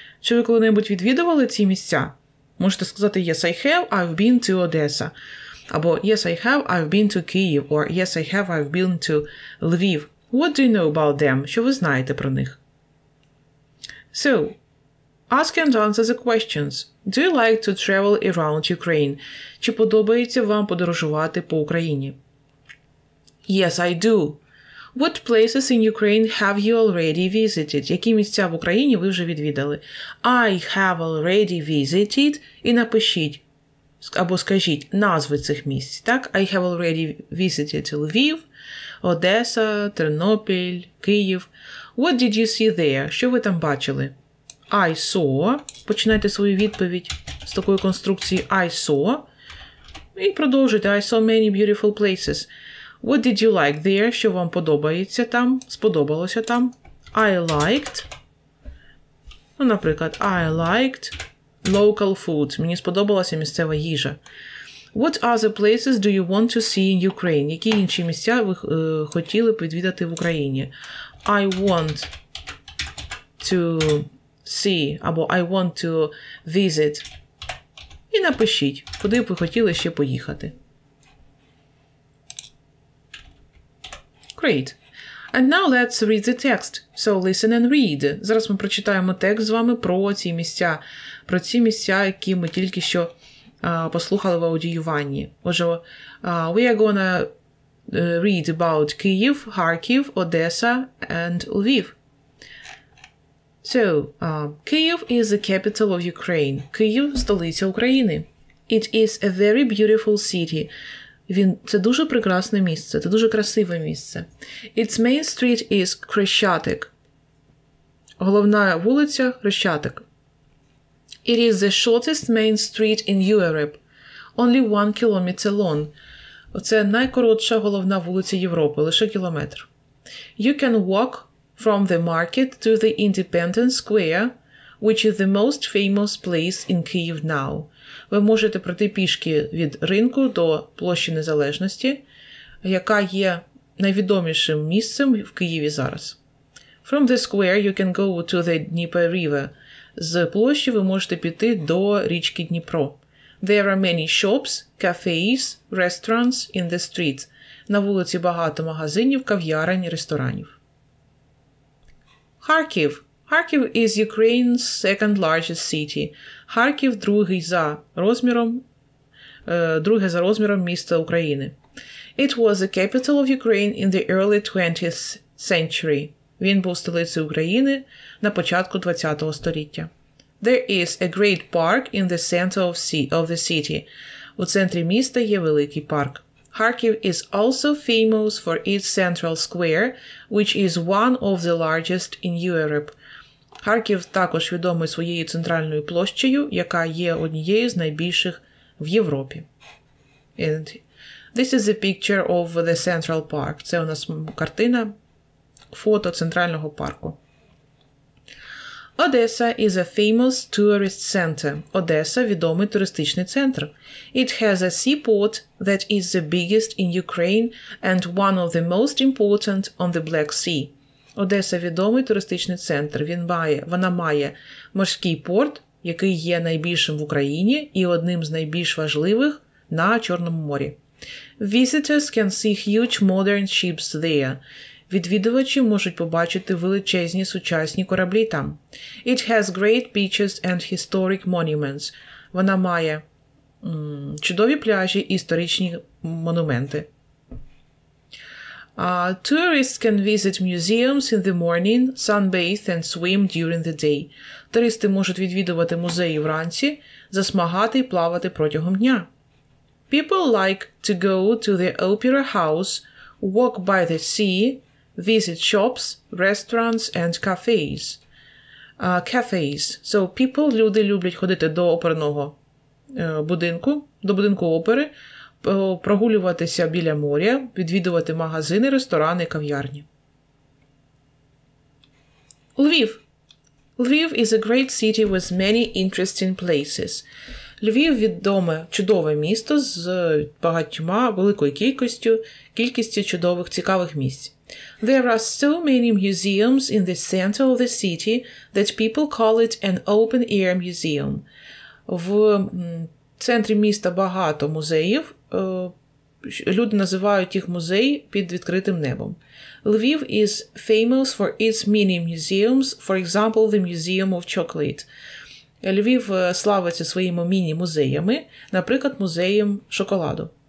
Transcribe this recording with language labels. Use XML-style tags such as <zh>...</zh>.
<uk>Чи ви коли-небудь відвідували ці місця? Можете сказати,</uk> <en>yes, I have, I've been to Odessa.</en> <uk>Або,</uk> <en>yes, I have, I've been to Kyiv. Or, yes, I have, I've been to Lviv. What do you know about them?</en> <uk>Що ви знаєте про них?</uk> <en>So, ask and answer the questions. Do you like to travel around Ukraine?</en> <uk>Чи подобається вам подорожувати по Україні?</uk> <en>Yes, I do. What places in Ukraine have you already visited?</en> <uk>Які місця в Україні ви вже відвідали?</uk> <en>I have already visited.</en> <uk>І напишіть, або скажіть назви цих місць.</uk> <en>Так? I have already visited Lviv, Одеса, Тернопіль, Київ. What did you see there?</en> <uk>Що ви там бачили?</uk> <en>I saw.</en> <uk>Починайте свою відповідь з такої конструкції</uk> <en>I saw.</en> <uk>І продовжуйте.</uk> <en>I saw many beautiful places. What did you like there?</en> <uk>Що вам подобається там? Сподобалося там?</uk> <en>I liked.</en> <uk>Ну, наприклад,</uk> <en>I liked local food.</en> <uk>Мені сподобалася місцева їжа.</uk> <en>What other places do you want to see in Ukraine?</en> <uk>Які інші місця ви хотіли б відвідати в Україні?</uk> <en>I want to see</en> <uk>або</uk> <en>I want to visit.</en> <uk>І напишіть, куди б ви хотіли ще поїхати.</uk> <en>Great. And now let's read the text. So listen and read.</en> <uk>Зараз ми прочитаємо текст з вами про ці місця. Про ці місця, які ми тільки що послухали в аудіюванні. Отже,</uk> <en>we are gonna read about Kyiv, Kharkiv, Odessa and Lviv. So, Kyiv is the capital of Ukraine.</en> <uk>Київ – столиця України.</uk> <en>It is a very beautiful city.</en> <uk>Це дуже прекрасне місце, це дуже красиве місце.</uk> <en>Its main street is Хрещатик.</en> <uk>Головна вулиця – Хрещатик.</uk> <en>It is the shortest main street in Europe. Only 1 kilometer long.</en> <uk>Це найкоротша головна вулиця Європи, лише кілометр.</uk> <en>You can walk from the market to the Independence Square, which is the most famous place in Kyiv now.</en> <uk>Ви можете пройти пішки від ринку до площі Незалежності, яка є найвідомішим місцем в Києві зараз.</uk> <en>From the square you can go to the Dnieper River.</en> <uk>З площі ви можете піти до річки Дніпро.</uk> <en>There are many shops, cafes, restaurants in the street.</en> <uk>На вулиці багато магазинів, кав'ярень, ресторанів.</uk> <en>Харків. Харків is Ukraine's second largest city.</en> <uk>Харків друге за розміром місто України.</uk> <en>It was the capital of Ukraine in the early 20th century.</en> <uk>Він був столицею України на початку 20-го століття.</uk> <en>There is a great park in the center of the city.</en> <uk>У центрі міста є великий парк.</uk> <en>Харків is also famous for its central square, which is one of the largest in Europe.</en> <uk>Харків також відомий своєю центральною площею, яка є однією з найбільших в Європі.</uk> <en>And this is a picture of the Central Park.</en> <uk>Це у нас картина, фото центрального парку.</uk> <en>Odessa is a famous tourist center. Odessa –</en> <uk>відомий туристичний центр.</uk> <en>It has a seaport that is the biggest in Ukraine and one of the most important on the Black Sea.</en> <uk>Одеса – відомий туристичний центр. Вона має морський порт, який є найбільшим в Україні і одним з найбільш важливих на Чорному морі.</uk> <en>Visitors can see huge modern ships there.</en> <uk>Відвідувачі можуть побачити величезні сучасні кораблі там.</uk> <en>It has great beaches and historic monuments.</en> <uk>Вона має чудові пляжі і історичні монументи.</uk> <en>Tourists can visit museums in the morning, sunbathe and swim during the day.</en> <uk>Туристи можуть відвідувати музеї вранці, засмагати і плавати протягом дня.</uk> <en>People like to go to the opera house, walk by the sea, visit shops, restaurants and cafes.</en> <uk>Люди люблять ходити до оперного будинку, до будинку опери, прогулюватися біля моря, відвідувати магазини, ресторани, кав'ярні. Львів.</uk> <en>Львів is a great city with many interesting places.</en> <uk>Львів – відоме, чудове місто з багатьма, великою кількістю чудових, цікавих місць.</uk> <en>There are so many museums in the center of the city that people call it an open-air museum.</en> <uk>В центрі міста багато музеїв, люди називають їх музеї під відкритим небом.</uk> <en>Львів is famous for its many museums, for example, the Museum of Chocolate.</en> <uk>Львів славиться своїми міні-музеями, наприклад, музеєм шоколаду.</uk>